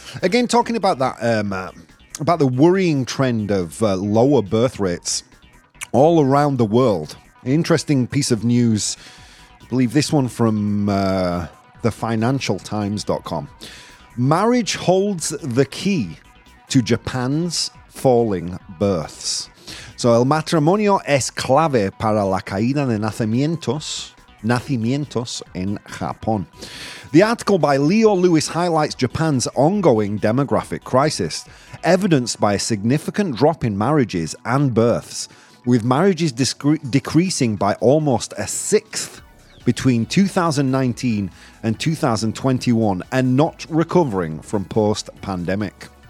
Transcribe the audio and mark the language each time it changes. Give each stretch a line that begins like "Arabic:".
English: Again, talking about that, about the worrying trend of lower birth rates all around the world. Interesting piece of news. I believe this one from thefinancialtimes.com. Marriage holds the key to Japan's falling births.
Spanish: So el matrimonio es clave para la caída de nacimientos en Japón.
English: The article by Leo Lewis highlights Japan's ongoing demographic crisis, evidenced by a significant drop in marriages and births, with marriages decreasing by almost a sixth between 2019 and 2021, and not recovering from post-pandemic.